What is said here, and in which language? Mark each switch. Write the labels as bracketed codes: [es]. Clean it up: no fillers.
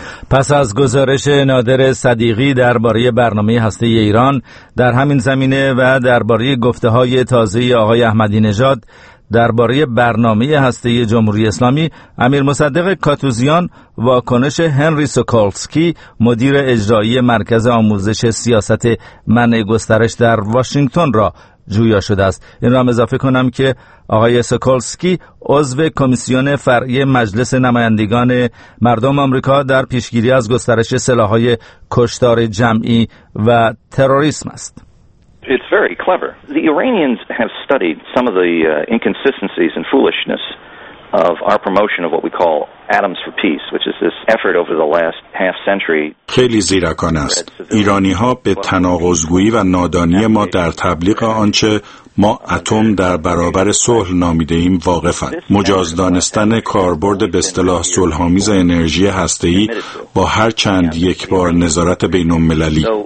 [fa] پس از گزارش نادر صدیقی درباره برنامه هسته ایران در همین زمینه و درباره گفته‌های تازه آقای احمدی نژاد درباره برنامه هسته جمهوری اسلامی، امیر مصدق کاتوزیان واکنش هنری سوکالسکی مدیر اجرایی مرکز آموزش سیاست منع گسترش در واشنگتن را جویا شده است. این را هم اضافه کنم که آقای سوکالسکی عضو کمیسیون فرعی مجلس نمایندگان مردم آمریکا در پیشگیری از گسترش سلاح‌های کشتار جمعی و تروریسم است. [en] It's very clever. The Iranians have studied some of the inconsistencies and foolishness of our promotion of what we call Atoms for Peace, which is this effort over the last half century. [fa] خیلی زیرکان است. ایرانی‌ها به تناقض‌گویی و نادانی ما در تبلیغ آنچه ما اتم در برابر صلح نامیده‌ایم واقفند. مجاز دانستن کاربرد به اصطلاح صلح‌آمیز انرژی هسته‌ای با هر چند یک بار نظارت بین‌المللی.